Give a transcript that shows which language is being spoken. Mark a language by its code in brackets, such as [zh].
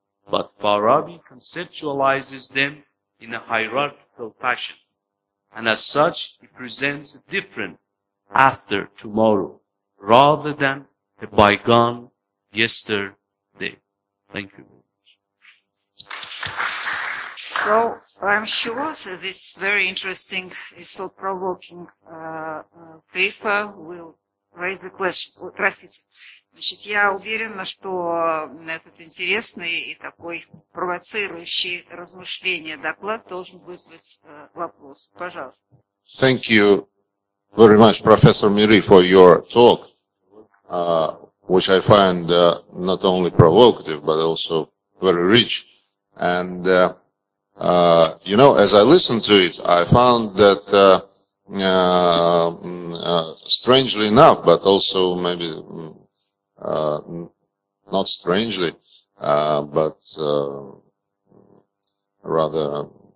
[en] But Farabi conceptualizes them in a hierarchical fashion, and as such, he presents a different after tomorrow, rather than a bygone yesterday. Thank you. So, I'm sure that this very interesting, thought-provoking paper will raise the questions. [ru] Простите. Значит, я уверена, что этот интересный и такой провоцирующий размышление доклад должен вызвать вопрос. Пожалуйста. [en] Thank you very much, Professor Miri, for your talk, which I find not only provocative, but also very rich. And you know, as I listened to it, I found that, strangely enough, but also maybe not strangely, rather